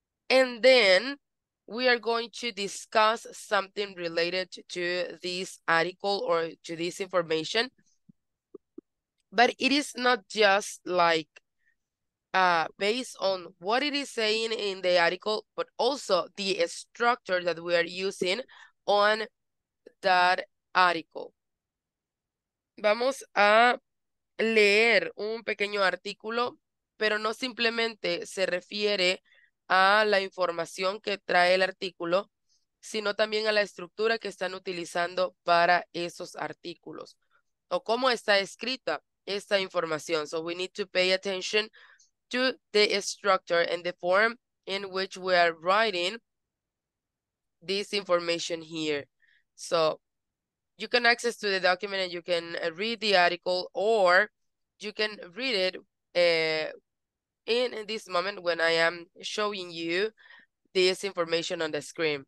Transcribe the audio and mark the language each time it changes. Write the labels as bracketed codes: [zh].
[en] And then we are going to discuss something related to this article or to this information. But it is not just like based on what it is saying in the article, but also the structure that we are using on that article. [es] Vamos a leer un pequeño artículo, pero no simplemente se refiere a la información que trae el artículo, sino también a la estructura que están utilizando para esos artículos, o cómo está escrita esta información. [en] So we need to pay attention to the structure and the form in which we are writing this information here. So you can access to the document and you can read the article, or you can read it in this moment when I am showing you this information on the screen.